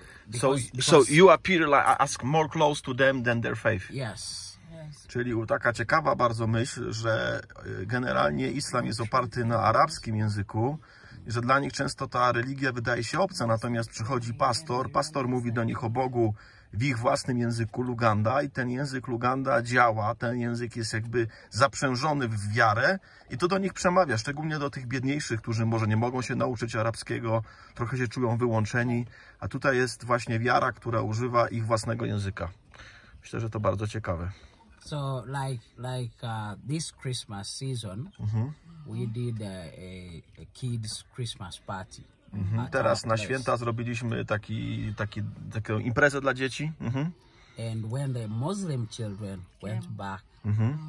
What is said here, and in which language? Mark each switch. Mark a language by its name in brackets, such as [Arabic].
[English] because you appear like ask more close to them than their faith. Yes. [Polish] Czyli taka ciekawa bardzo myśl, że generalnie islam jest oparty na arabskim języku, że dla nich często ta religia wydaje się obca, natomiast przychodzi pastor, pastor mówi do nich o Bogu w ich własnym języku Luganda i ten język Luganda działa, ten język jest jakby zaprzężony w wiarę i to do nich przemawia, szczególnie do tych biedniejszych, którzy może nie mogą się nauczyć arabskiego, trochę się czują wyłączeni, a tutaj jest właśnie wiara, która używa ich własnego języka. Myślę, że to bardzo ciekawe. [English] So like this Christmas season, we did a kids Christmas party. [Polish] Teraz na święta zrobiliśmy taką imprezę dla dzieci. [English] And when the Muslim children went back mm-hmm.